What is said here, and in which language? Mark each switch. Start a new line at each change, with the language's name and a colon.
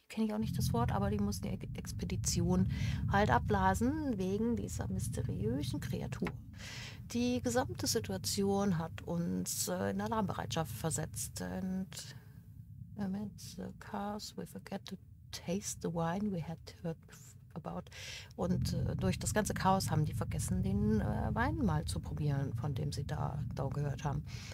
German: Kenne ich auch nicht das Wort, aber die mussten die Expedition halt abblasen wegen dieser mysteriösen Kreatur. Die gesamte Situation hat uns in Alarmbereitschaft versetzt.
English: And amidst the chaos, we forget to taste the wine we had heard about.
German: Und durch das ganze Chaos haben die vergessen, den Wein mal zu probieren, von dem sie da gehört haben.